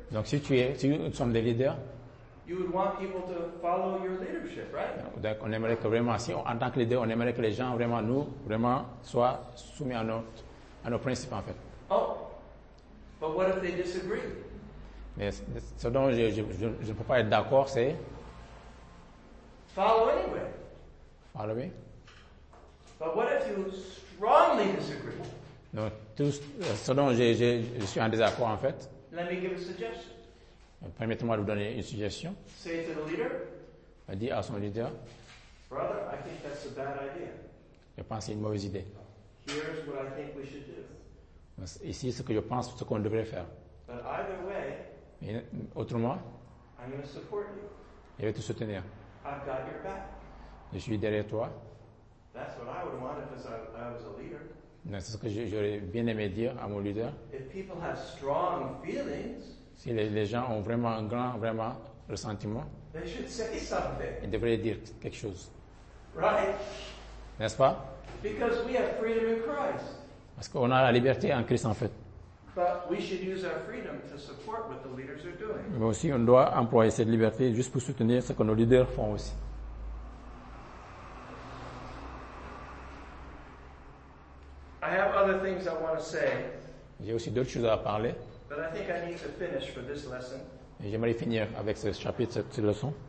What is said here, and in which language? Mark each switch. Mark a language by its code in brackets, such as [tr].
[fr] donc si tu es, si nous sommes des leaders, [en] you would want people to follow your leadership, right? [fr] Donc, on aimerait que vraiment, si en tant que leader, on aimerait que les gens vraiment nous, vraiment soient soumis à nos principes, en fait. [en] Oh, but what if they disagree? [fr] Mais ce dont je ne peux pas être d'accord, c'est [en] follow anyway. Follow me. But what if you strongly disagree? [fr] Donc, tout ce dont je suis en désaccord, en fait. [en] Let me give a suggestion. [fr] Permettez-moi de vous donner une suggestion. [en] Say to the leader, [fr] dis à son leader, [en] brother, I think that's a bad idea. [fr] Je pense que c'est une mauvaise idée. [en] Here's what I think we should do. [fr] Ici, ce que je pense, ce qu'on devrait faire. [en] But either way, [fr] autrement, [en] I'm going to support you. [fr] Je vais te soutenir. [en] I've got your back. [fr] Je suis derrière toi. [en] That's what I would want if I was a leader. [fr] Non, c'est ce que j'aurais bien aimé dire à mon leader. [en] If people have strong feelings, [fr] si les gens ont vraiment un grand, vraiment ressentiment, [en] they should say something. [fr] Ils devraient dire quelque chose. [en] Right? [fr] N'est-ce pas? [en] Because we have freedom in Christ. [fr] Parce qu'on a la liberté en Christ, en fait. [en] But we should use our freedom to support what the leaders are doing. [fr] Mais aussi, on doit employer cette liberté juste pour soutenir ce que nos leaders font aussi. [en] I have other things I want to say. [fr] J'ai aussi d'autres choses à parler. [en] But I think I need to finish for this lesson. [fr] Et j'aimerais finir avec ce chapitre, cette leçon.